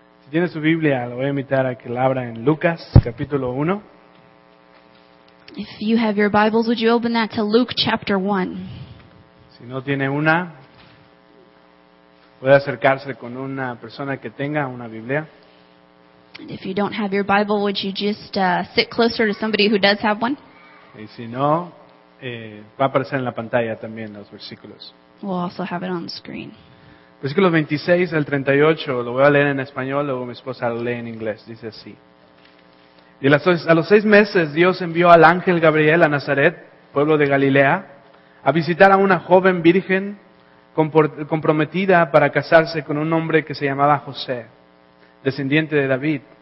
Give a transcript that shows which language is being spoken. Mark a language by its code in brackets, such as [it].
[es] Tiene su Biblia, lo voy a invitar a que la abra en Lucas, capítulo 1. [en] If you have your Bibles, would you open that to Luke chapter 1? [es] Si no tiene una, puede acercarse con una persona que tenga una Biblia. [en] And if you don't have your Bible, would you just sit closer to somebody who does have one? [es] Y si no, va a aparecer en la pantalla también los versículos. [en] We'll also have it on the screen. [es] Versículos 26 al 38, lo voy a leer en español, luego mi esposa lo lee en inglés, dice así. Y a los seis meses Dios envió al ángel Gabriel a Nazaret, pueblo de Galilea, a visitar a una joven virgen comprometida para casarse con un hombre que se llamaba José, descendiente de David.